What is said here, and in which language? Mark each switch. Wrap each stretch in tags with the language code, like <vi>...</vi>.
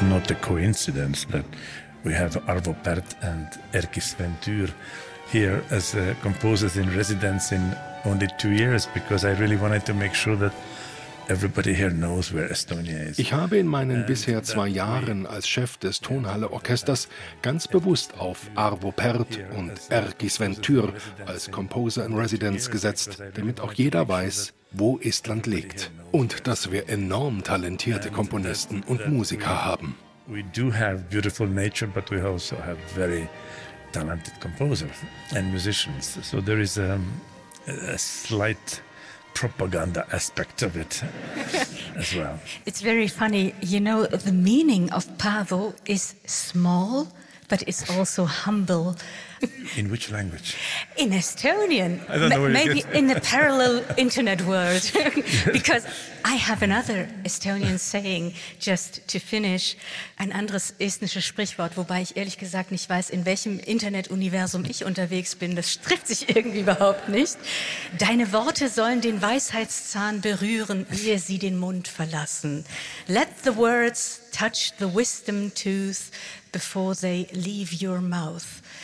<en>a coincidence that we have Arvo Pärt and Erkki Sventyr here as composers in residence in only 2 years, because I really wanted to make sure that everybody here knows where Estonia is.</en> <de>Ich habe in meinen bisher 2 Jahren als Chef des Tonhalle-Orchesters ganz bewusst auf Arvo Pärt und Erkki Sventyr als Composer in Residence gesetzt, damit auch jeder weiß, wo Estland liegt und dass wir enorm talentierte Komponisten und Musiker haben.</de> <en>We do have beautiful nature, but we also have very talented composers and musicians. So there is a slight propaganda aspect of it as well. It's very funny. You know, the meaning of Paavo is small, but it's also humble. In which language? In Estonian. I don't know where maybe in the parallel internet world. Because I have another Estonian saying, just to finish.</en> <de>Ein anderes estnisches Sprichwort, wobei ich ehrlich gesagt nicht weiß, in welchem Internetuniversum ich unterwegs bin. Das trifft sich irgendwie überhaupt nicht. Deine Worte sollen den Weisheitszahn berühren, ehe sie den Mund verlassen.</de> <en>Let the words touch the wisdom tooth before they leave your mouth.</en>